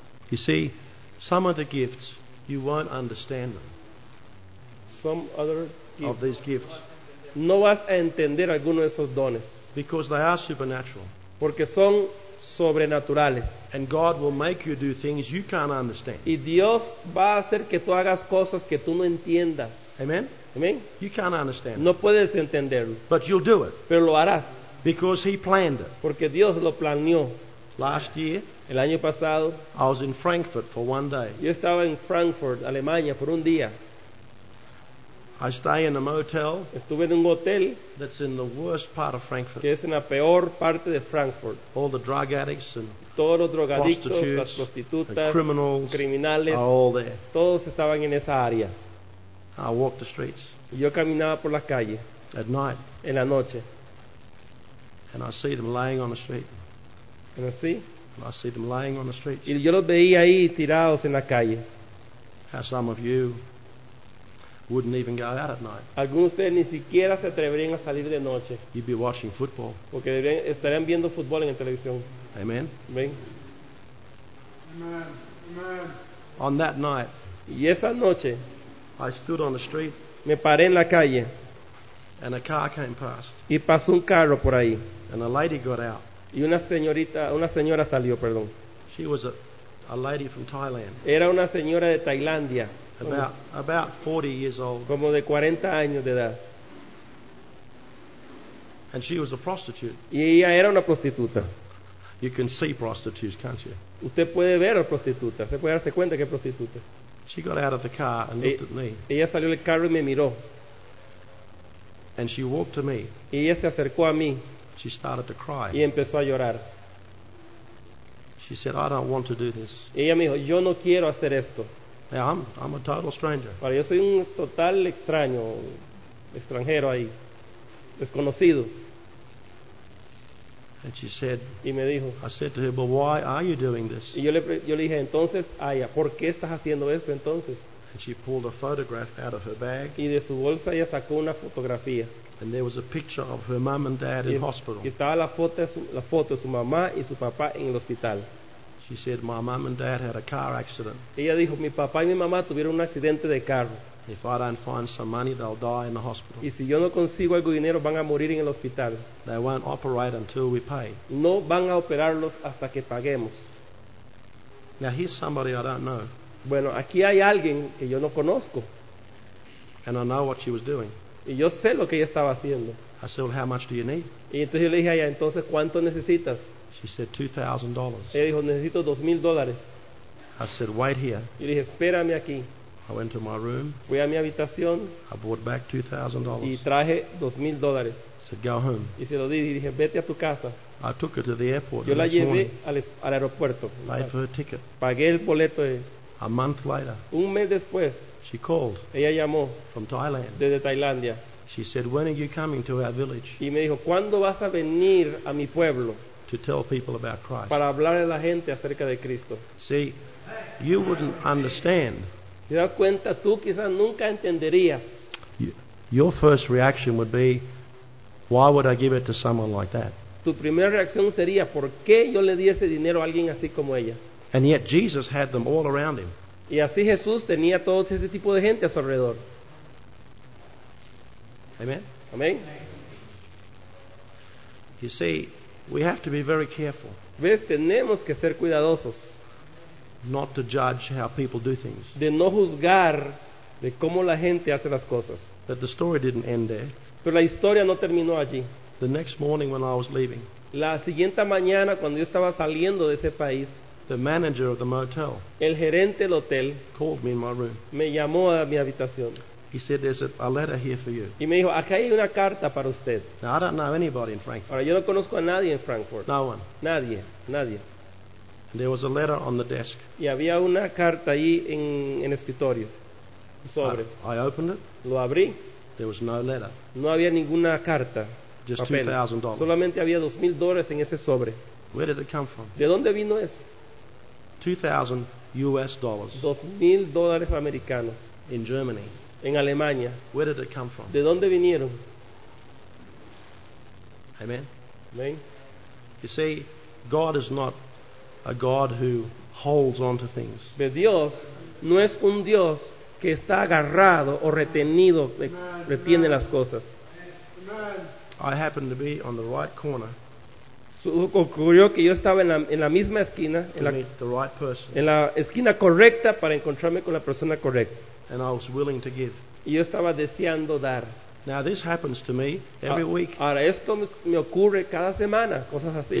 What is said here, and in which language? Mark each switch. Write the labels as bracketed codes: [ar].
[en] You see, some of the gifts you won't understand them. Some other of these gifts. [es] No vas a entender alguno de esos dones. [en] Because they are supernatural. [es] Porque son sobrenaturales. [en] And God will make you do things you can't understand. [es] Y Dios va a hacer que tú hagas cosas que tú no entiendas. [en] Amen. [es] Amen. [en] You can't understand. [es] No puedes entenderlo. [en] But you'll do it. [es] Pero lo harás. [en] Because He planned it. [es] Porque Dios lo planeó. [en] Last year, [es] el año pasado, [en] I was in Frankfurt for one day. [es] Yo estaba en Frankfurt, Alemania, por un día. [en] I stay in a motel. [es] Estuve en un hotel. [en] That's in the worst part of Frankfurt. [es] Que es en la peor parte de Frankfurt. [en] All the drug addicts and [es] todos los drogadictos, las prostitutas, criminales, [en] are all there. [es] Todos estaban en esa área. [en] I walked the streets. [es] Y yo caminaba por la calle. [en] At night. [es] En la noche. [en] And I see them laying on the street. [es] ¿Y así? [en] I see them laying on the streets. [es] Y yo los veía ahí tirados en la calle. [en] How some of you wouldn't even go out at night. [es] Algunos de ustedes ni siquiera se atreverían a salir de noche. [en] You'd be watching football. [es] Porque deberían, estarían viendo fútbol en la televisión. [en] Amen. [es] Amen. Amen. [en] On that night. [es] Y esa noche. [en] I stood on the street. [es] Me paré en la calle. [en] And a car came past. [es] Y pasó un carro por ahí. [en] And a lady got out. [es] Y una señora salió, perdón. [en] She was a lady from Thailand. [es] Era una señora de Tailandia. [en] About 40 years old. [es] Como de 40 años de edad. [en] And she was a prostitute. [es] Y ella era una prostituta. [en] You can see prostitutes, can't you? [es] Usted puede ver a prostitutas. Se puede darse cuenta que es prostituta. [en] She got out of the car and looked at me. [es] Ella salió del carro y me miró. [en] And she walked to me. [es] Y ella se acercó a mí. [en] She started to cry. [es] Y empezó a llorar. [en] She said, "I don't want to do this." [es] Y ella me dijo, "Yo no quiero hacer esto." [en] Now, I'm a total stranger. [es] Pero yo soy un total extraño, extranjero ahí, desconocido. [en] And she said, [es] y me dijo, [en] I said to her, "But why are you doing this?" [es] Y yo le dije, entonces, Aya, ¿por qué estás haciendo esto entonces? [en] And she pulled a photograph out of her bag. [es] Y de su bolsa ella sacó una fotografía. [en] And there was a picture of her mom and dad in hospital. [es] Y estaba la foto de su mamá y su papá en el hospital. [en] She said, "My mom and dad had a car accident." [es] Ella dijo, mi papá y mi mamá tuvieron un accidente de carro. [en] If I don't find some money, they'll die in the hospital. [es] Y si yo no consigo algo dinero, van a morir en el hospital. [en] They won't operate until we pay. [es] No van a operarlos hasta que paguemos. [en] Now here's somebody I don't know. [es] Bueno, aquí hay alguien que yo no conozco. [en] And I know what she was doing. [es] Y yo sé lo que ella estaba haciendo. [en] I said, "Well, how much do you need?" [es] Y entonces yo le dije a ella, entonces, ¿cuánto necesitas? [en] She said, $2,000. [es] Ella dijo, necesito $2,000. [en] I said, "Wait here." [es] Y dije, espérame aquí. [en] I went to my room. [es] Fui a mi habitación. [en] I brought back $2,000. [es] Y traje $2,000. [en] I said, "Go home." [es] Y se lo di y dije, vete a tu casa. [en] I took her to the airport. [es] Yo la llevé al aeropuerto. [en] Paid for her ticket. [es] Pagué el boleto. [en] A month later. [es] Un mes después. [en] She called. [es] Ella llamó. [en] From Thailand. [es] Desde Tailandia. [en] She said, "When are you coming to our village?" [es] Y me dijo, ¿cuándo vas a venir a mi pueblo? [en] To tell people about Christ. [es] Para hablar a la gente acerca de Cristo. [en] See, you wouldn't understand. [es] Si das cuenta, tú quizás nunca entenderías. [en] Your first reaction would be, "Why would I give it to someone like that?" [es] Tu primera reacción sería, ¿por qué yo le di ese dinero a alguien así como ella? [en] And yet Jesus had them all around him. [es] Y así Jesús tenía todo ese tipo de gente a su alrededor. [en] Amen. [es] Amen. [en] You see, we have to be very careful. [es] Ves, tenemos que ser cuidadosos. [en] Not to judge how people do things. [es] De no juzgar de cómo la gente hace las cosas. [en] But the story didn't end there. [es] Pero la historia no terminó allí. [en] The next morning when I was leaving. [es] La siguiente mañana cuando yo estaba saliendo de ese país. [en] The manager of the motel. [es] El gerente del hotel. [en] Called me in my room. [es] Me llamó a mi habitación. [en] He said, "There's a letter here for you." [es] Y me dijo, acá hay una carta para usted. [en] Now, I don't know anybody in Frankfurt. [es] Ahora yo no conozco a nadie en Frankfurt. [en] No one. [es] Nadie. Nadie. [en] And there was a letter on the desk. [es] Y había una carta ahí en escritorio. Sobre. [en] I opened it. [es] Lo abrí. [en] There was no letter. [es] No había ninguna carta. [en] Just $2,000. [es] Solamente había $2,000 en ese sobre. [en] Where did it come from? [es] ¿De dónde vino eso? [en] $2,000. [es] $2,000 americanos. [en] In Germany. [es] En Alemania. [en] Where did it come from? [es] ¿De dónde vinieron? [en] Amen. [es] Amen. [en] You see, God is not a God who holds on to things. [es] De Dios no es un Dios que está agarrado o retenido, retiene las cosas. [en] I happened to be on the right corner. [es] Ocurrió que yo estaba en la misma esquina, en la esquina correcta para encontrarme con la persona correcta. [en] And I was willing to give. [es] Y yo estaba deseando dar. [en] Now this happens to me every week. [es] Ahora esto me ocurre cada semana, cosas así.